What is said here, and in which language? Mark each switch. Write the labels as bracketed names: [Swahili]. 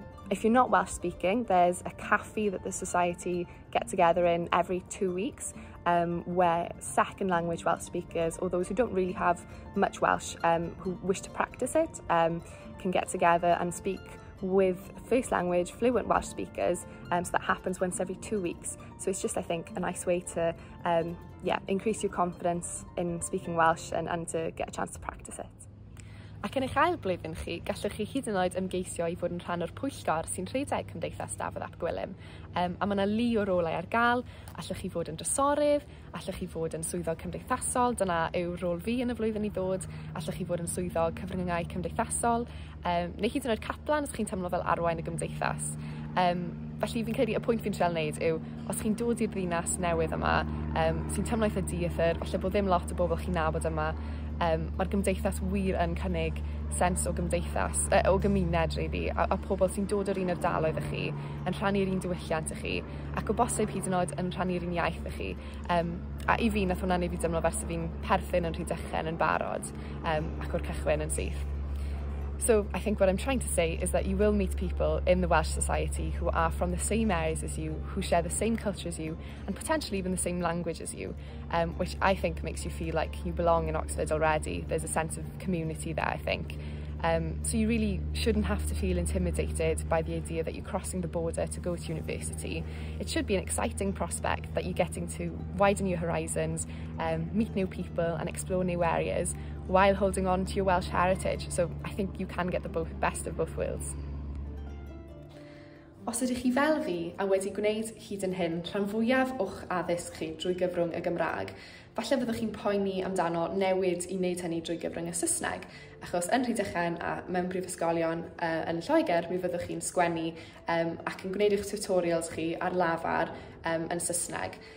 [English] If you're not Welsh speaking, there's a cafe that the society get together in every 2 weeks where second language Welsh speakers or those who don't really have much Welsh who wish to practice it can get together and speak with first language fluent Welsh speakers, so that happens once every 2 weeks. So it's just, I think, a nice way to increase your confidence in speaking Welsh and to get a chance to practice it. [Welsh] Ac yn eich ail blwyddyn chi, gallwch chi hyd yn oed ymgeisio I fod yn rhan o'r pwyllgor sy'n rhedeg Cymdeithas Dafydd ap Gwilym. A mae yna li o rolau ar gael, allwch chi fod yn drysorydd, allwch chi fod yn swyddog cymdeithasol, dyna yw rôl fi yn y flwyddyn I ddod, allwch chi fod yn swyddog cyfryngau cymdeithasol, neu hyd yn oed caplan os chi'n teimlo fel arwain y gymdeithas. Felly fi'n credu y pwynt fi'n trial wneud yw, os chi'n dod i'r ddinas newydd yma, sy'n teimlo eitha dieithr, falle bod ddim lot o bobl chi'n nabod yma, mae'r gymdeithas wir yn cynnig sens o gymdeithas, o gymuned really, a pobl sy'n dod o'r un ardaloedd ych chi, yn rhannu'r un diwylliant ych chi, ac o bosib hyd yn oed yn rhannu'r un iaith ych chi. A I fi, nath hwnna'n ei fi dymlo fers y fi'n perthyn yn Rhydychen yn barod, ac o'r cychwyn yn syth. [English] So I think what I'm trying to say is that you will meet people in the Welsh society who are from the same areas as you, who share the same culture as you, and potentially even the same language as you, which I think makes you feel like you belong in Oxford already. There's a sense of community there, I think. So you really shouldn't have to feel intimidated by the idea that you're crossing the border to go to university. It should be an exciting prospect that you're getting to widen your horizons, meet new people and explore new areas while holding on to your Welsh heritage. So I think you can get the best of both worlds. [Welsh] Os ydych chi fel fi a wedi gwneud hyd yn hyn rhan fwyaf o'ch addysg chi drwy gyfrwng y Gymraeg, falle fyddwch chi'n poeni amdano newid I wneud hynny drwy gyfrwng y Saesneg, achos yn Rhydychen a mewn prifysgolion yn Lloegr, mi fyddwch chi'n sgwennu ac yn gwneud eich tutorials chi ar lafar yn Saesneg.